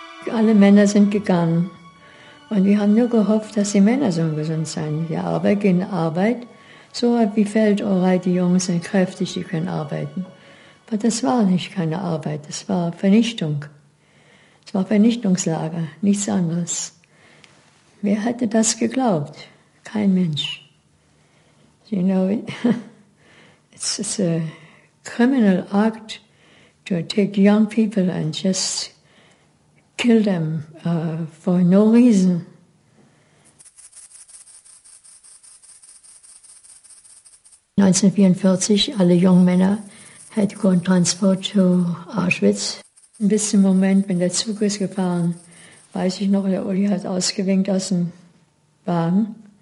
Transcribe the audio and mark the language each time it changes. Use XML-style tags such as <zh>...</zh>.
<de>Alle Männer sind gegangen und wir haben nur gehofft, dass die Männer so gesund sein. Die Arbeit gehen in Arbeit. So wie Feldorei, die Jungs sind kräftig, die können arbeiten. Aber das war nicht keine Arbeit, das war Vernichtung. Es war Vernichtungslager, nichts anderes. Wer hätte das geglaubt? Kein Mensch.</de> <en>You know, it's a criminal act to take young people and just kill them for no reason.</en> <de>...1944, alle jungen Männer hatten einen Transport zu Auschwitz. Bis zum Moment, wenn der Zug ist gefahren, weiß ich noch, der Uli hat ausgewinkt aus dem Wagen.</de>